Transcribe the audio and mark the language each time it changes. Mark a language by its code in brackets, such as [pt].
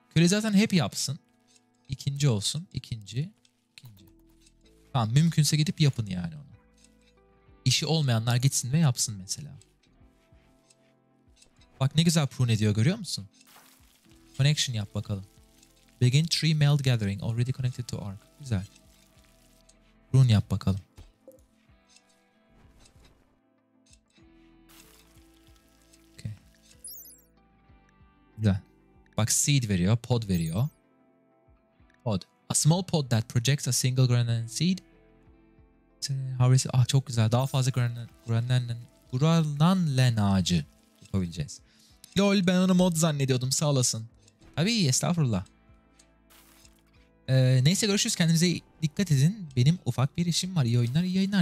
[tr] Köle zaten hep yapsın. İkinci olsun. İkinci. İkinci. Tamam. Mümkünse gidip yapın yani onu. İşi olmayanlar gitsin ve yapsın mesela. Bak ne güzel prune ediyor görüyor musun? Connection yap bakalım. [en] Begin tree meld gathering. Already connected to arc. [tr] Güzel. Prune yap bakalım. [en] Okay. [tr] Güzel. Bak seed veriyor. Pod veriyor. Pod. [en] A small pod that projects a single granulated seed. [tr] Harvest. Ah çok güzel. Daha fazla granulated ağacı yapabileceğiz. Lol ben onu mod zannediyordum sağ olasın. Tabii estağfurullah. Neyse görüşürüz kendinize dikkat edin. Benim ufak bir işim var. İyi oyunlar iyi yayınlar.